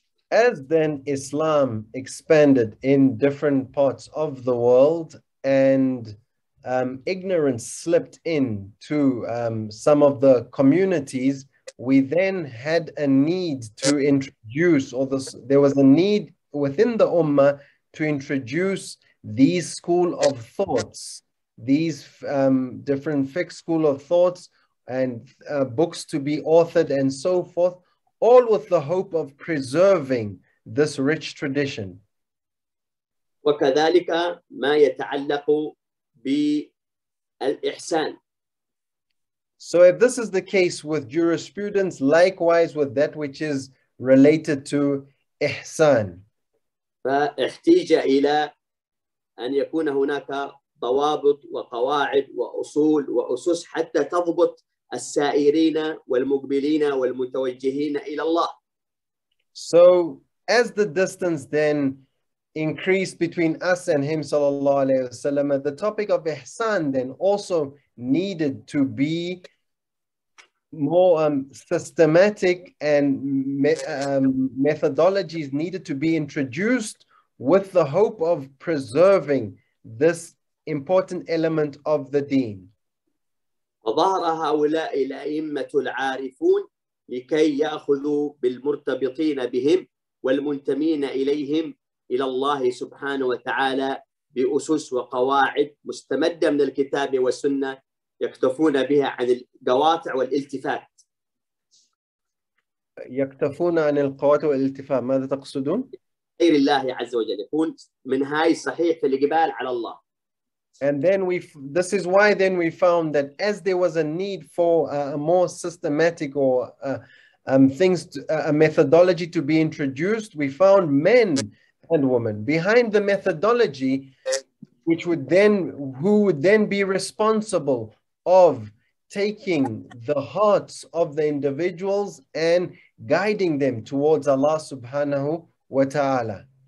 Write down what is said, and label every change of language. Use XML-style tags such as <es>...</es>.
<en>As then Islam expanded in different parts of the world and ignorance slipped in to some of the communities, we then had a need to introduce, or there was a need within the Ummah to introduce these school of thoughts, these different fixed school of thoughts and books to be authored and so forth, all with the hope of preserving this rich tradition.</en> <ar>وكذلك ما يتعلق بالإحسان.</ar> <en>So if this is the case with jurisprudence, likewise with that which is related to إحسان.</en> <ar>فاحتاج إلى أن يكون هناك ضوابط وقواعد وأصول وأسس حتى تضبط السائرين والمقبلين والمتوجهين إلى الله.</ar> <en>So as the distance then increased between us and him</en> <ar>sallallahu alayhi wa sallam,</ar> <en>the topic of ihsan then also needed to be more systematic, and methodologies needed to be introduced with the hope of preserving this important element of the deen.</en> <ar>وظهر هؤلاء الأئمة العارفون لكي يأخذوا بالمرتبطين بهم والمنتمين إليهم إلى الله سبحانه وتعالى بأسس وقواعد مستمدة من الكتاب والسنة يكتفون بها عن القواطع والالتفات. يكتفون عن القواطع والالتفات، ماذا تقصدون؟ غير الله عز وجل يكون من هاي صحيح في الإقبال على الله.</ar> <en>And then this is why then we found that as there was a need for a more systematic or a methodology to be introduced, we found men and women behind the methodology, who would then be responsible of taking the hearts of the individuals and guiding them towards Allah</en> <ar>subhanahu wa ta'ala.</ar>